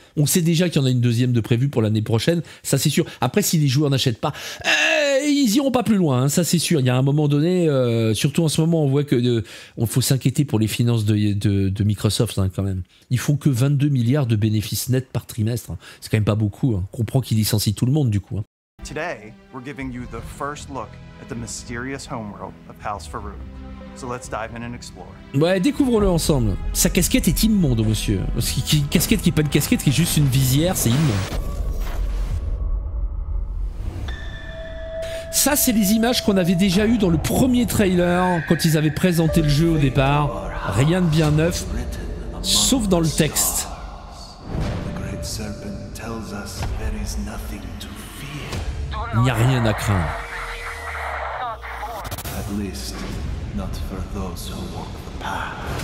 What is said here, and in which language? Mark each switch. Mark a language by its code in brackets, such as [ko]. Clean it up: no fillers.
[fr] On sait déjà qu'il y en a une deuxième de prévue pour l'année prochaine, ça c'est sûr. Après, si les joueurs n'achètent pas, ils iront pas plus loin, hein, ça c'est sûr. Il y a un moment donné, surtout en ce moment, on voit que on faut s'inquiéter pour les finances de Microsoft, hein, quand même. Ils font que 22 milliards de bénéfices nets par trimestre, hein. C'est quand même pas beaucoup, hein. On comprend qu'ils licencient tout le monde, du coup. Hein. [en] Today, we're giving you the first look at the mysterious homeworld of House Faerûn. So let's dive in and explore. [fr] Ouais, découvrons-le ensemble. Sa casquette est immonde, monsieur. Une casquette qui n'est pas une casquette, qui est juste une visière, c'est immonde. Ça, c'est les images qu'on avait déjà eues dans le premier trailer, quand ils avaient présenté le jeu au départ. Rien de bien neuf, sauf dans le texte. [en] The great serpent tells us there is nothing to fear. [fr] Il n'y a rien à craindre. [en] At least, not for those who walk the path.